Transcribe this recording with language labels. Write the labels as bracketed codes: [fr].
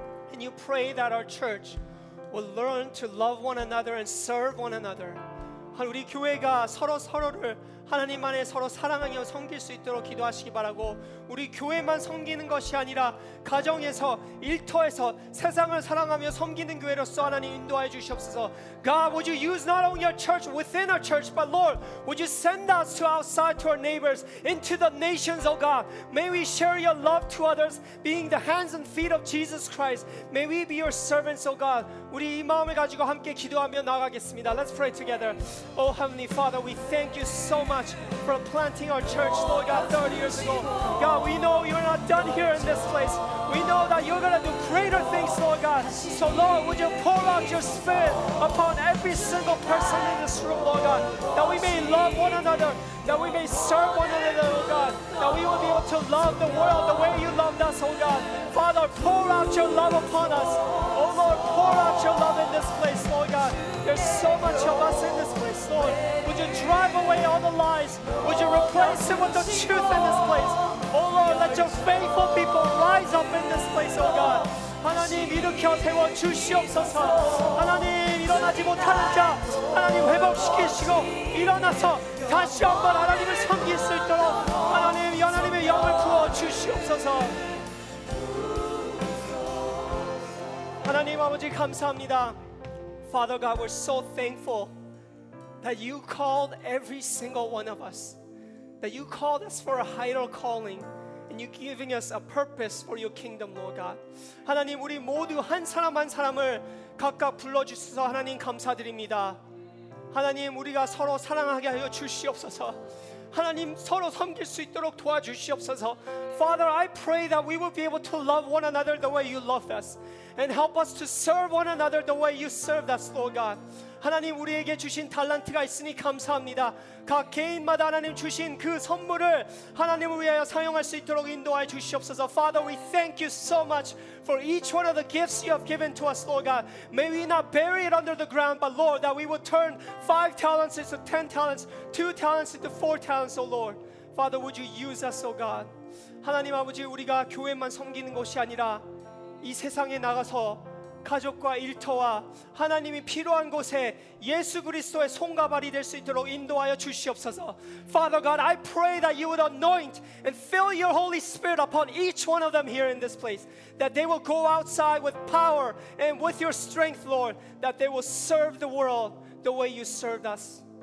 [en] Can you pray that our church will learn to love one another and serve one another? [ko] 우리 교회가 서로 서로를 하나님만의 서로 사랑하며 섬길 수 있도록 기도하시기 바라고 우리 교회만 섬기는 것이 아니라 가정에서 일터에서 세상을 사랑하며 섬기는 교회로서 하나님 인도하여 주시옵소서. [en] God, would you use not only our church within our church, but Lord, would you send us to outside to our neighbors, into the nations, oh God. May we share your love to others, being the hands and feet of Jesus Christ. May we be your servants, oh God. [ko] 우리 이 마음을 가지고 함께 기도하며 나아가겠습니다. [en] Let's pray together. Oh Heavenly Father, we thank you so much for planting our church, Lord God, 30 years ago. God, we know you're not done here in this place. We know that you're going to do greater things, Lord God. So Lord, would you pour out your spirit upon every single person in this room, Lord God, that we may love one another, that we may serve one another, oh God, that we will be able to love the world the way you loved us, oh God. Father, pour out your love upon us. Oh Lord, pour out your love in this place, Lord God. There's so much of us in this place, Lord. Would you drive away all the lies? Would you replace it with the truth in this place? Oh Lord, let your faithful people rise up in this place, oh God. [ko] 하나님 일으켜 세워 주시옵소서. 하나님 일어나지 못하는 자 하나님 회복시키시고 일어나서 다시 한번 하나님을 섬길 수 있도록 하나님 하나님의 영을 부어 주시옵소서. 하나님 아버지 감사합니다. [en] Father God, we're so thankful that you called every single one of us, that you called us for a higher calling, and you're giving us a purpose for your kingdom, Lord God. [ko] 하나님 우리 모두 한 사람 한 사람을 각각 불러주셔서 하나님 감사드립니다. 하나님 우리가 서로 사랑하게 하여 주시옵소서. 하나님 서로 섬길 수 있도록 도와주시옵소서. [en] Father, I pray that we will be able to love one another the way you loved us, and help us to serve one another the way you served us, Lord God. [ko] 하나님 우리에게 주신 탤런트가 있으니 감사합니다. 각 개인마다 하나님 주신 그 선물을 하나님을 위하여 사용할 수 있도록 인도하여 주시옵소서. [en] Father, we thank you so much for each one of the gifts you have given to us, Lord God. May we not bury it under the ground, but Lord, that we would turn 5 talents into 10 talents, 2 talents into 4 talents, oh Lord. Father, would you use us, oh God. [ko] 하나님 아버지 우리가 교회만 섬기는 것이 아니라 이 세상에 나가서 가족과 일터와 하나님이 필요한 곳에 예수 그리스도의 손과 발이 될 수 있도록 인도하여 주시옵소서. [en] Father God, I pray that you would anoint and fill your Holy Spirit upon each one of them here in this place, that they will go outside with power and with your strength, Lord, that they will serve the world the way you served us.